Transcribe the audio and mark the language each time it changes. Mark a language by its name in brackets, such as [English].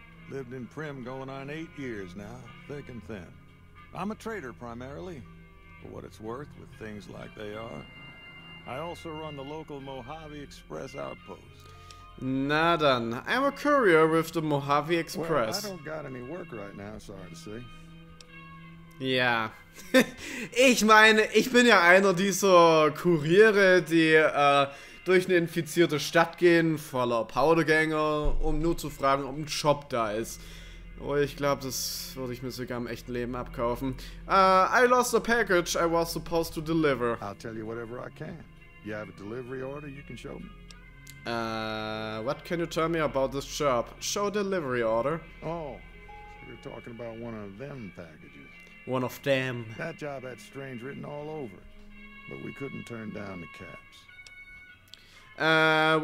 [English] Lived in Prim going on 8 years now, thick and thin. I'm a trader primarily, for what it's worth with things like they are. I also run the local Mojave Express outpost. [German] Na dann, [English] I'm a courier with the Mojave Express. Well, I don't got any work right now, sorry to say. [German] Ja. Ich meine, ich bin ja einer dieser Kuriere, die durch eine infizierte Stadt gehen, voller Powdergänger, um nur zu fragen, ob ein Job da ist. Oh, ich glaube, das würde ich mir sogar im echten Leben abkaufen. [English] I lost a package I was supposed to deliver. I'll tell you whatever I can. You have a delivery order you can show me? What can you tell me about this job? Show delivery order. Oh, so you're talking about one of them packages. One of them. That job had strange written all over it, but we couldn't turn down the caps.